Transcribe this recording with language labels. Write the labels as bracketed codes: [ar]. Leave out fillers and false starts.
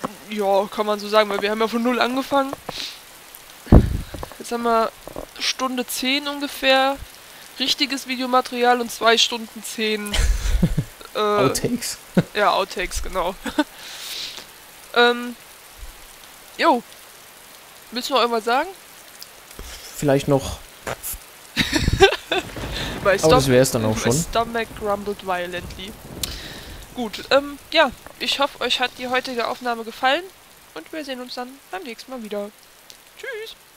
[de] Ja, kann man so sagen, weil wir haben ja von null angefangen. Jetzt haben wir Stunde 10 ungefähr richtiges Videomaterial und 2 Stunden 10 [en] Outtakes. [de] Ja, Outtakes, genau. Jo. Müssen wir irgendwas sagen? Vielleicht noch. Aber das wäre es dann auch schon. [en] My stomach grumbled violently. [de] Gut, ja. Ich hoffe, euch hat die heutige Aufnahme gefallen. Und wir sehen uns dann beim nächsten Mal wieder. Tschüss.